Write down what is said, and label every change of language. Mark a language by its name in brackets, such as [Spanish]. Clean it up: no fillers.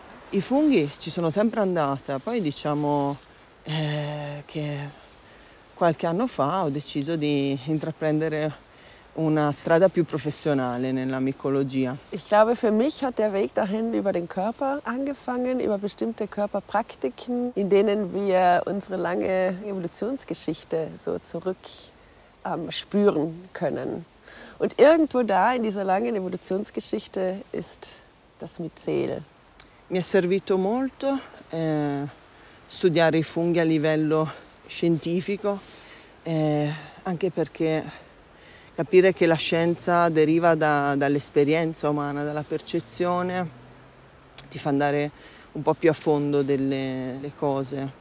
[Italian] i funghi ci sono sempre andata, poi diciamo che qualche anno fa ho deciso di intraprendere una strada più professionale nella micologia. [German] Ich glaube, für mich hat der Weg dahin über den Körper angefangen, über bestimmte Körperpraktiken, in denen wir unsere lange Evolutionsgeschichte so zurück spüren können. Und irgendwo da in dieser langen Evolutionsgeschichte ist das Myzel. [Italian] Mi è servito molto studiare i funghi a livello scientifico, anche perché capire che la scienza deriva dall'esperienza umana, dalla percezione, ti fa andare un po' più a fondo delle cose.